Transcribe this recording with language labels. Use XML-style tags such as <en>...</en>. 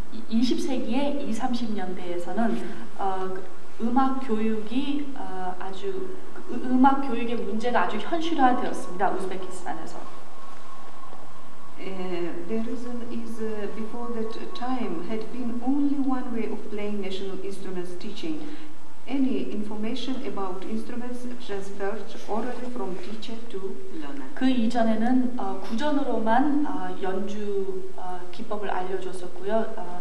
<ko>20세기의 20~30년대에서는 음악 교육이 아주 음악 교육의 문제가 아주 현실화되었습니다. 우즈베키스탄에서.</ko> <en>The reason is before that time had been only one way of playing national instruments teaching. Any information about instruments transferred orally from teacher to learner.</en> <ko>그 이전에는 구전으로만 연주 기법을 알려줬었고요.</ko>